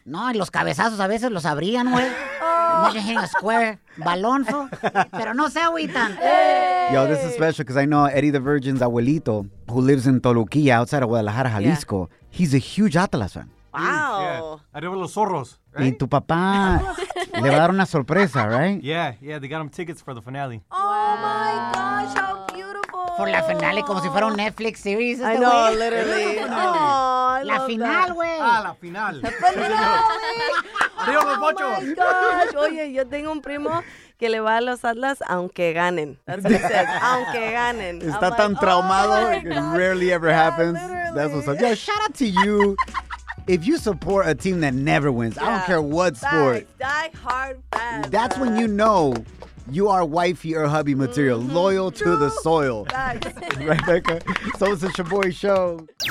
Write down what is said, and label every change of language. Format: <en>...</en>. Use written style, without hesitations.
<es>No, y los cabezazos a veces los abrían, güey.</es> <en>Imagine hitting a square balón, fo.</en> <es>Pero no se agüitan.</es> <en>Yo, this is special because I know Eddie the Virgin's abuelito, who lives in Toluquilla, outside of Guadalajara, Jalisco. Yeah. He's a huge Atlas fan. Wow.</en> <es>Yeah. Arriba los zorros. Right? Y tu papá le va a dar una sorpresa, right?</es> <en>Yeah, they got him tickets for the finale. Oh, wow. My gosh, how beautiful.</en> <es>For la finale, como si fuera un Netflix series.</es> <en>I know, way. Literally.</en> <es>Oh, la final, güey. Ah, la final. La final, güey.</es> <en>Oh, my gosh.</en> <es>Oye, yo tengo un primo que le va a los Atlas aunque ganen. Aunque ganen. Está tan traumado.</es> <en>It rarely ever happens. That's what's up. Yo, shout out to you. If you support a team that never wins, yeah. I don't care what sport. Die hard fast. That's when you know you are wifey or hubby material. Mm-hmm. Loyal to the soil. Right, Becca? So it's the Shoboy Show.</en>